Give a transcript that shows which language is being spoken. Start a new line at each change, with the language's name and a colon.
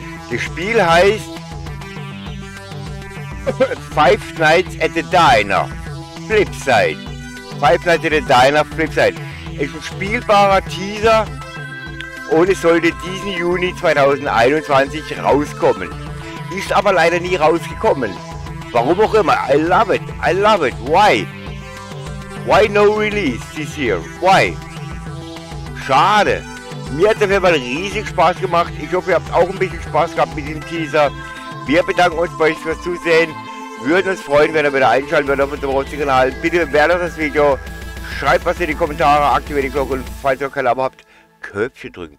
German: Das Spiel heißt Five Nights at the Diner Flipside. Five Nights at the Diner Flipside. Es ist ein spielbarer Teaser und es sollte diesen Juni 2021 rauskommen. Ist aber leider nie rausgekommen. Warum auch immer.
English: I love it. I love it. Why? Why no release this year? Why?
German: Schade. Mir hat es aber riesig Spaß gemacht. Ich hoffe, ihr habt auch ein bisschen Spaß gehabt mit dem Teaser. Wir bedanken uns bei euch fürs Zusehen. Würden uns freuen, wenn ihr wieder einschalten würdet auf unserem Rotzi-Kanal. Bitte bewertet das Video. Schreibt was in die Kommentare. Aktiviert die Glocke. Und falls ihr noch kein Abo habt, Köpfchen drücken.